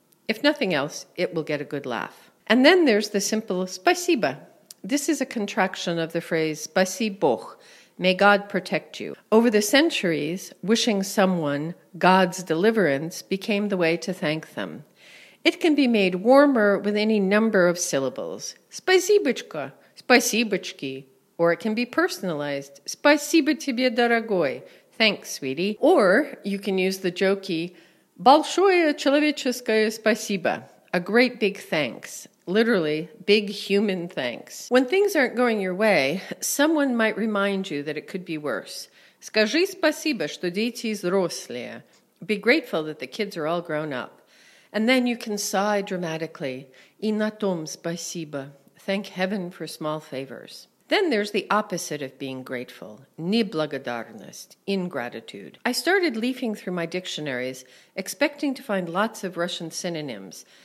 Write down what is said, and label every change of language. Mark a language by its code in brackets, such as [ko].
[en] If nothing else, it will get a good laugh. And then there's the simple спасибо. This is a contraction of the phrase спасибо, may God protect you. Over the centuries, wishing someone God's deliverance became the way to thank them. It can be made warmer with any number of syllables. [ru] Спасибочка, спасибочки. [en] Or it can be personalized. [ru] Спасибо тебе, дорогой. [en] Thanks, sweetie. Or you can use the jokey, [ru] большое человеческое спасибо. [en] A great big thanks. Literally, big human thanks. When things aren't going your way, someone might remind you that it could be worse. [ru] Скажи спасибо, что дети взрослые. [en] Be grateful that the kids are all grown up. And then you can sigh dramatically. [ru] И на том спасибо. [en] Thank heaven for small favors. Then there's the opposite of being grateful. Неблагодарность. Ingratitude. I started leafing through my dictionaries, expecting to find lots of Russian synonyms.